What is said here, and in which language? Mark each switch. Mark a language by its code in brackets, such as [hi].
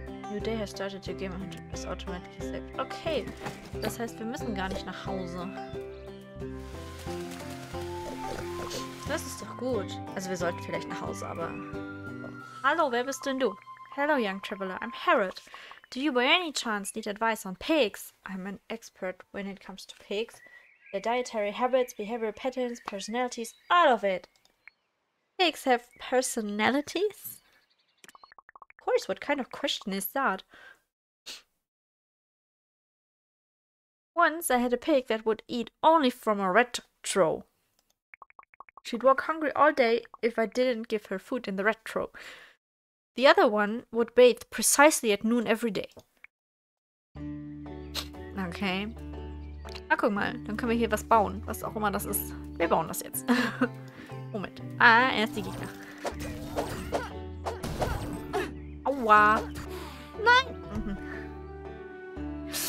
[en] New day has started your game and is automatically saved. Okay. [de] Das heißt, wir müssen gar nicht nach Hause. Das ist doch gut. Also wir sollten vielleicht nach Hause, aber... Hallo, wer bist denn du? [en] Hello, young traveler. I'm Harold. Do you by any chance need advice on pigs? I'm an expert when it comes to pigs. Their dietary habits, behavioral patterns, personalities, all of it. Pigs have personalities? Of course, what kind of question is that? Once I had a pig that would eat only from a rat trough. She'd walk hungry all day if I didn't give her food in the rat trough. The other one would bathe precisely at noon every day. Okay. [de] Na, guck mal, dann können wir hier was bauen, was auch immer das ist. Wir bauen das jetzt. Moment. Ah, erst die Gegner. Aua. Nein!